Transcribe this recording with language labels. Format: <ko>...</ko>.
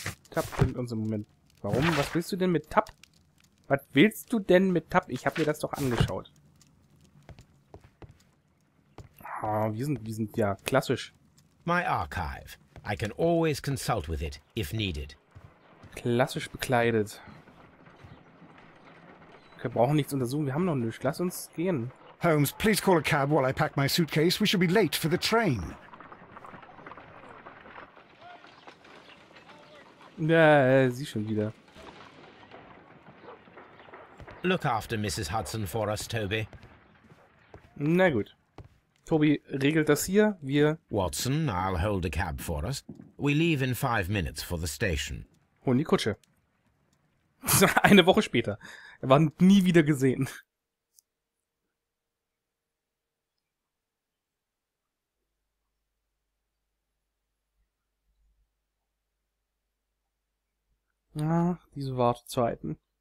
<de>Tab in unserem Moment. Warum? Was willst du denn mit Tab? Was willst du denn mit Tab? Ich habe mir das doch angeschaut. Ah, wir sind ja klassisch.</de> <en>My archive. I can always consult with it if needed.</en> <de>Klassisch bekleidet. Wir brauchen nichts untersuchen, wir haben noch nichts. Lass uns gehen.</de> <en>Holmes, please call a cab while I pack my suitcase. We should be late for the train.</en> <de>Ja, sie schon wieder.</de> <en>Look after Mrs. Hudson for us, Toby.</en> <de>Na gut. Toby regelt das hier, wir...</de> <en>Watson, I'll hold a cab for us. We leave in 5 minutes for the station.</en> <de>Holen die Kutsche. Eine Woche später. Er war nie wieder gesehen. Ach, diese Wartezeiten.</de>